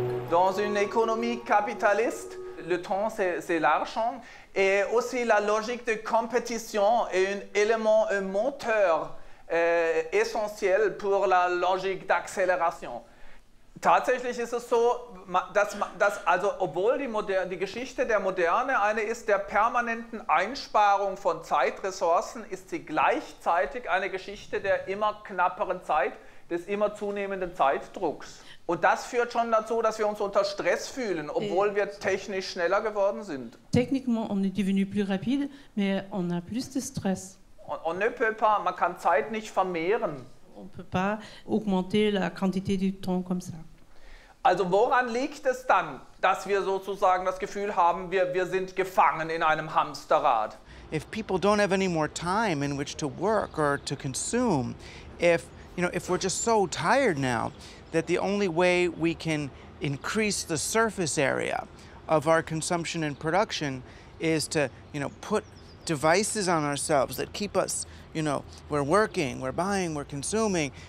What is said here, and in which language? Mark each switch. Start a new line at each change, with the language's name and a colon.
French: Dans une économie capitaliste, le temps c'est l'argent et aussi la logique de compétition est un élément, un moteur essentiel pour la logique d'accélération.
German: Tatsächlich ist es so, dass also obwohl die Geschichte der Moderne eine ist der permanenten Einsparung von Zeitressourcen, ist sie gleichzeitig eine Geschichte der immer knapperen Zeit, des immer zunehmenden Zeitdrucks. Und das führt schon dazu, dass wir uns unter Stress fühlen, obwohl wir technisch schneller geworden sind.
French: Techniquement, on est devenu plus rapide, mais on a plus de stress. On ne peut pas,
German: man kann Zeit nicht vermehren.
French: On peut pas augmenter la quantité du temps comme ça.
German: Also woran liegt es dann, dass wir sozusagen das Gefühl haben, wir sind gefangen in einem Hamsterrad?
English: If people don't have any more time in which to work or to consume, if we're just so tired now, that the only way we can increase the surface area of our consumption and production is to, put devices on ourselves that keep us, we're working, we're buying, we're consuming.